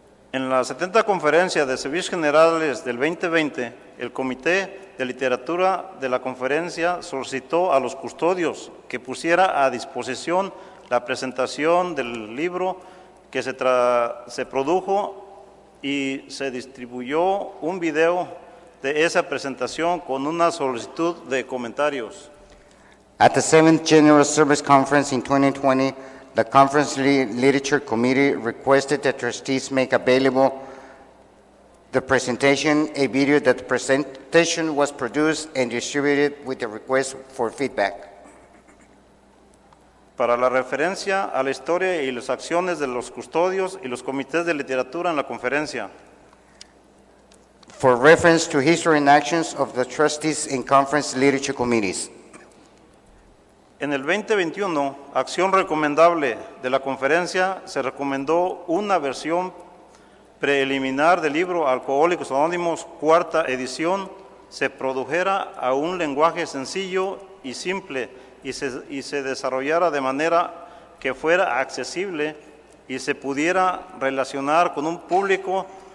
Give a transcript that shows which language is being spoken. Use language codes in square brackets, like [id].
[es] En la 70 conferencia de servicios generales del 2020, el comité de literatura de la conferencia solicitó a los custodios que pusiera a disposición la presentación del libro que se produjo y se distribuyó un video de esa presentación con una solicitud de comentarios. [en] At the 7th General Service Conference in 2020, the Conference Literature Committee requested that trustees make available the presentation, a video that the presentation was produced and distributed with a request for feedback. [es] Para la referencia a la historia y las acciones de los custodios y los comités de literatura en la conferencia. [en] For reference to history and actions of the trustees and conference literature committees. [es] En el 2021, acción recomendable de la conferencia se recomendó una versión preliminar del libro Alcohólicos Anónimos, cuarta edición, se produjera a un lenguaje sencillo y simple y se desarrollara de manera que fuera accesible y se pudiera relacionar con un público